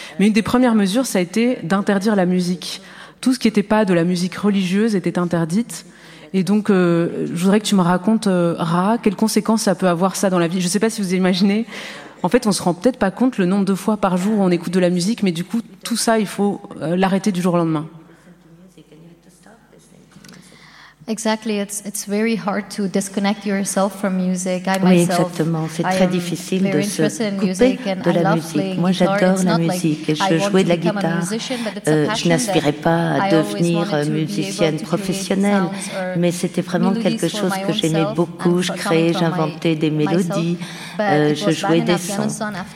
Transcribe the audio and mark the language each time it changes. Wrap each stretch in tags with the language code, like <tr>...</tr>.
<fr>Mais une des premières mesures, ça a été d'interdire la musique. Tout ce qui n'était pas de la musique religieuse était interdite. Et donc, je voudrais que tu me racontes, Raha, quelles conséquences ça peut avoir ça dans la vie. Je ne sais pas si vous imaginez. En fait, on ne se rend peut-être pas compte le nombre de fois par jour où on écoute de la musique, mais du coup, tout ça, il faut l'arrêter du jour au lendemain.</fr> <en>Exactly, it's very hard to disconnect yourself from music. I myself,</en> <fr>oui, exactement. C'est très difficile de se couper de la musique. Moi, j'adore la musique et je jouais de la guitare. Je n'aspirais pas à devenir musicienne professionnelle, mais c'était vraiment quelque chose que j'aimais beaucoup. Je créais, j'inventais des mélodies, je jouais des sons.</fr>